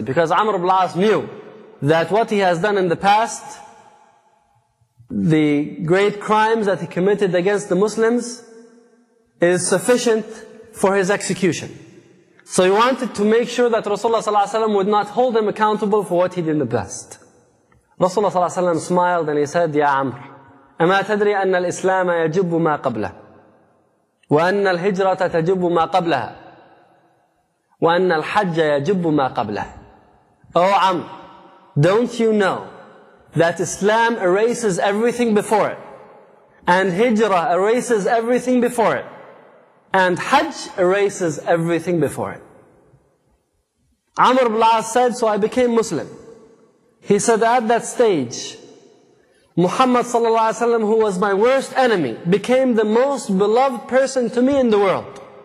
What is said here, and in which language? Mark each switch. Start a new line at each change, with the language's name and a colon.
English: Because Amr ibn al-As knew that what he has done in the past, the great crimes that he committed against the Muslims, is sufficient for his execution. So he wanted to make sure that Rasulullah sallallahu alaihi wasallam would not hold him accountable for what he did in the past. Rasulullah sallallahu alaihi wasallam smiled and he said, Ya Amr,
Arabic: أما تدري أن الإسلام يجب ما قبله وأن الهجرة تجب ما قبلها وأن الحج يجب ما قبله.
English: Oh Amr, don't you know that Islam erases everything before it, and Hijrah erases everything before it, and Hajj erases everything before it? Amr ibn al-As said, so I became Muslim. He said, at that stage, Muhammad sallallahu alaihi wasallam, who was my worst enemy, became the most beloved person to me in the world.